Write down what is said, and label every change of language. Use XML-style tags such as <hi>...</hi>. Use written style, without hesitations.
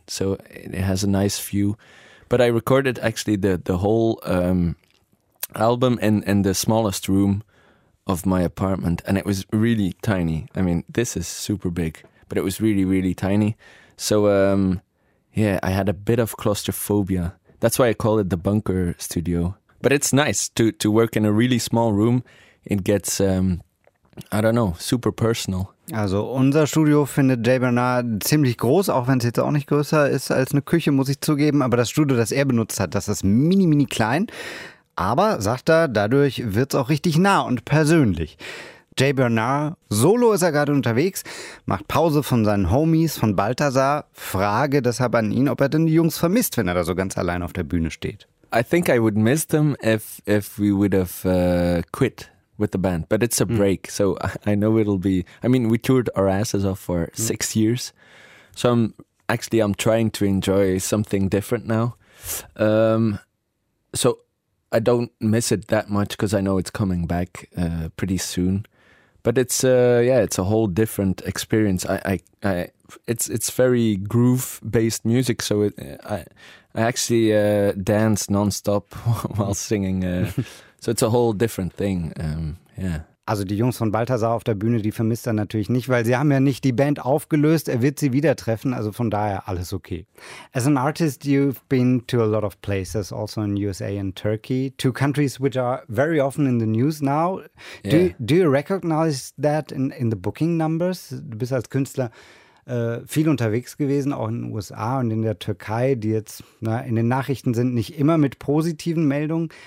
<en>So it has a nice view. But I recorded actually the whole album in the smallest room of my apartment, and it was really tiny. I mean, this is super big, but it was really, really tiny. So, I had a bit of claustrophobia. That's why I call it the bunker studio. But it's nice to work in a really small room. It gets, super personal.</en> <de>Also unser Studio findet Jay Bernard ziemlich groß, auch wenn es jetzt auch nicht größer ist als eine Küche, muss ich zugeben. Aber das Studio, das er benutzt hat, das ist mini, mini klein. Aber, sagt er, dadurch wird's auch richtig nah und persönlich. Jay Bernard, solo ist er gerade unterwegs, macht Pause von seinen Homies, von Balthasar. Frage deshalb an ihn, ob er denn die Jungs vermisst, wenn er da so ganz allein auf der Bühne steht.</de> <en>I think I would miss them if we would have quit with the band, but it's a break. So I know it'll be, I mean, we toured our asses off for 6 years. So I'm trying to enjoy something different now. So I don't miss it that much because I know it's coming back pretty soon. But it's it's a whole different experience. It's very groove based music. So I actually dance nonstop while singing. So it's a whole different thing.</en> <de>Also die Jungs von Balthasar auf der Bühne, die vermisst er natürlich nicht, weil sie haben ja nicht die Band aufgelöst. Er wird sie wieder treffen. Also von daher alles okay.</de> <en>As an artist, you've been to a lot of places, also in USA and Turkey, two countries which are very often in the news now. Do you recognize that in the booking numbers?</en> <de>Du bist als Künstler viel unterwegs gewesen, auch in den USA und in der Türkei, die jetzt in den Nachrichten sind, nicht immer mit positiven Meldungen.</de>